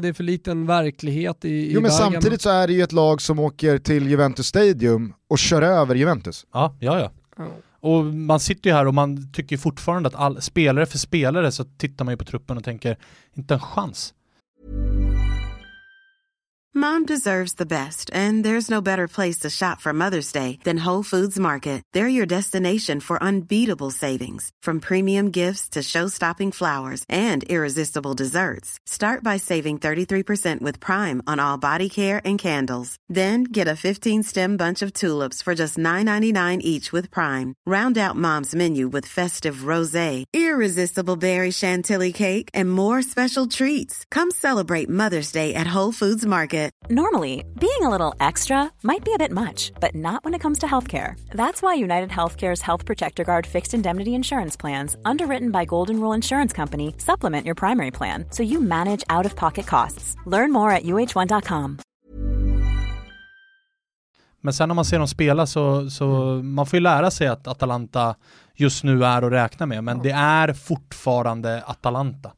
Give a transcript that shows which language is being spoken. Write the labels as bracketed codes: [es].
[sv] Det är för liten verklighet i Bergamo. Jo, men samtidigt så är det ju ett lag som åker till Juventus Stadium och kör över Juventus. Ja. Och man sitter ju här och man tycker fortfarande att spelare för spelare så tittar man ju på truppen och tänker, inte en chans. [en] Mom deserves the best, and there's no better place to shop for Mother's Day than Whole Foods Market. They're your destination for unbeatable savings, from premium gifts to show-stopping flowers and irresistible desserts. Start by saving 33% with Prime on all body care and candles. Then get a 15-stem bunch of tulips for just $9.99 each with Prime. Round out Mom's menu with festive rosé, irresistible berry chantilly cake, and more special treats. Come celebrate Mother's Day at Whole Foods Market. Normally, being a little extra might be a bit much, but not when it comes to healthcare. That's why United Healthcare's Health Protector Guard fixed indemnity insurance plans, underwritten by Golden Rule Insurance Company, supplement your primary plan so you manage out-of-pocket costs. Learn more at uh1.com. [sv] Men sen när man ser dem spela så man får ju lära sig att Atalanta just nu är att räkna med, men det är fortfarande Atalanta.